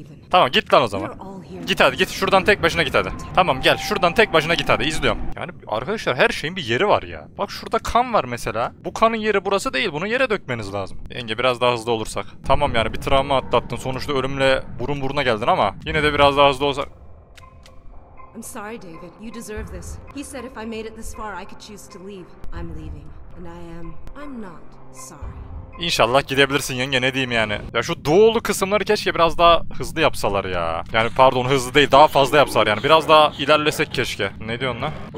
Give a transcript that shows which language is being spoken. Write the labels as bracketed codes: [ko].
[tr] Tamam git lan o zaman. Git hadi git, şuradan tek başına git hadi. Tamam gel, şuradan tek başına git hadi, izliyorum. Yani arkadaşlar her şeyin bir yeri var ya. Bak şurada kan var mesela. Bu kanın yeri burası değil, bunu yere dökmeniz lazım. Yenge biraz daha hızlı olursak. Tamam yani bir travma atlattın, sonuçta ölümle burun buruna geldin ama. Yine de biraz daha hızlı olsak. [en] I'm sorry David, you deserve this. He said if I made it this far I could choose to leave. I'm leaving and I'm not sorry. [tr] İnşallah gidebilirsin yenge, ne diyeyim yani. Ya şu doğulu kısımları keşke biraz daha hızlı yapsalar ya. Yani pardon, hızlı değil, daha fazla yapsalar yani. Biraz daha ilerlesek keşke. Ne diyorsun lan?